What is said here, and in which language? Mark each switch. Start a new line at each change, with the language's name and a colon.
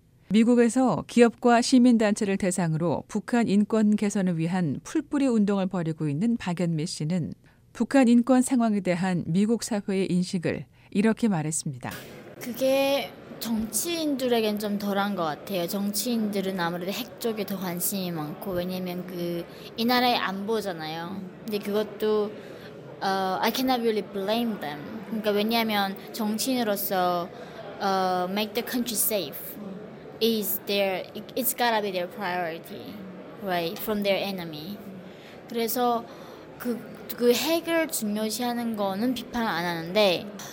Korean: 미국에서 기업과 시민단체를 대상으로 북한 인권 개선을 위한 풀뿌리 운동을 벌이고 있는 박연미 씨는 북한 인권 상황에 대한 미국 사회의 인식을 이렇게 말했습니다. 그게 정치인들에겐 좀 덜한 것 같아요. 정치인들은 아무래도 핵 쪽에 더 관심이 많고 왜냐면 그 이 나라의 안보잖아요. 근데 그것도
English: I cannot really blame them.
Korean: 그러니까 왜냐면 정치인으로서
English: make the country safe is their it's gotta be their priority, right?
Korean: From their enemy. 그래서 그 핵을 중요시하는 거는 비판 안 하는데.